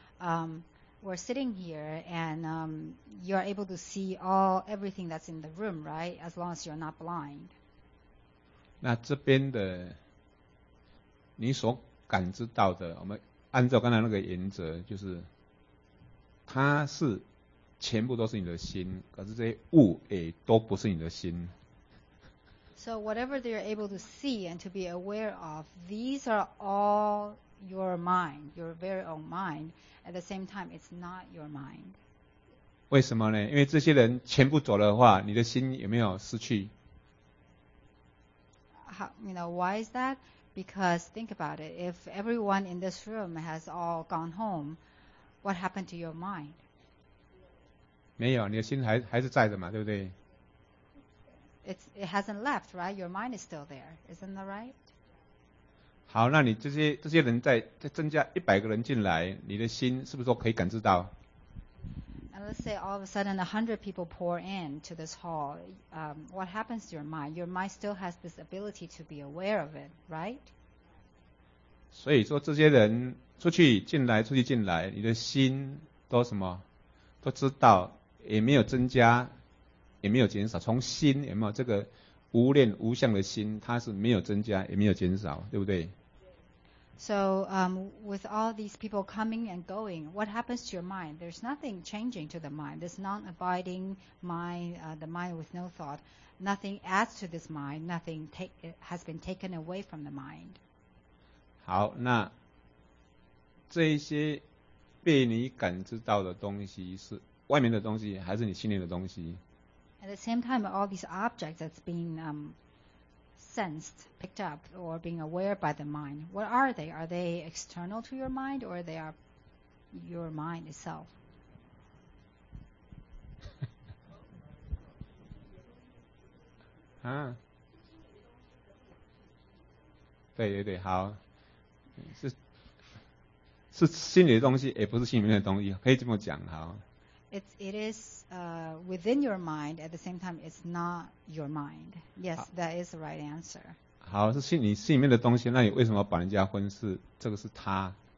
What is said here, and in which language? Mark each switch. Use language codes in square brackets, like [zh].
[en] We're sitting here, and you're able to see all everything that's in the room, right? As long as you're not blind. [zh] 那这边的你所感知到的，我们按照刚才那个原则，就是它是全部都是你的心，可是这些物也都不是你的心。 [en] So whatever they're able to see and to be aware of, these are all your mind, your very own mind. At the same time, it's not your mind. [zh] 为什么呢？因为这些人全部走的话，你的心有没有失去？ [en] You know, why is that? Because think about it. If everyone in this room has all gone home, what happened to your mind? [zh] 没有，你的心还是在的嘛，对不对？ [en] It hasn't left, right? Your mind is still there, isn't that right? [zh] 好，那你这些人再增加一百个人进来，你的心是不是都可以感知到？ [en] And let's say all of a sudden 100 people pour in to this hall. What happens to your mind? Your mind still has this ability to be aware of it, right? [zh] 所以说这些人出去进来出去进来，你的心都什么都知道，也没有增加。也没有减少，从心有没有这个无念无相的心，它是没有增加，也没有减少，对不对 [en] ？So, with all these people coming and going, what happens to your mind? There's nothing changing to the mind. This non-abiding mind, the mind with no thought, nothing adds to this mind. Nothing has been taken away from the mind. [zh] 好，那这一些被你感知到的东西是外面的东西，还是你心里的东西？ [en] At the same time, all these objects that's being sensed, picked up, or being aware by the mind, what are they? Are they external to your mind, or they are your mind itself? [zh] 啊，对对对，好，是心里的东西，也不是心里面的东西，可以这么讲，好。 [en] It is within your mind. At the same time, it's not your mind. Yes, that is the right answer. [zh] 好，是心里面的东西。那你为什么把人家分是这个是他